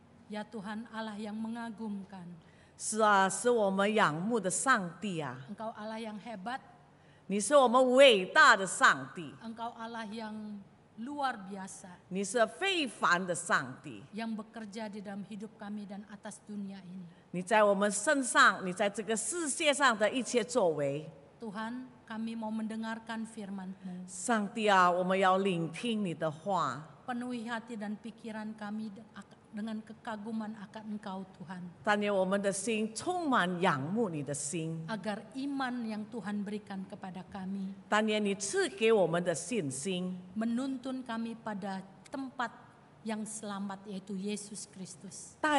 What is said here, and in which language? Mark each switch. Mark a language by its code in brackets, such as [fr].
[id] Ya Tuhan Allah yang mengagumkan. [zh] 是啊，是我们仰慕的上帝啊。 [id] Engkau Allah yang hebat. [zh] 你是我们伟大的上帝。 [id] Engkau Allah yang luar biasa. [zh] 你是非凡的上帝。 [id] Yang bekerja di dalam hidup kami dan atas dunia ini. [zh] 你在我们身上，你在这个世界上的一切作为。 [id] Tuhan, kami mau mendengarkan firman-Mu. [zh] 上帝啊，我们要聆听你的话。 [id] Penuhi hati dan pikiran kami dengan kekaguman akan Engkau Tuhan. [zh] 但愿我们的心充满仰慕你的心。 [id] Agar iman yang Tuhan berikan kepada kami. [zh] 但愿你赐给我们的信心。 [id] Menuntun kami pada tempat yang selamat yaitu Yesus Kristus.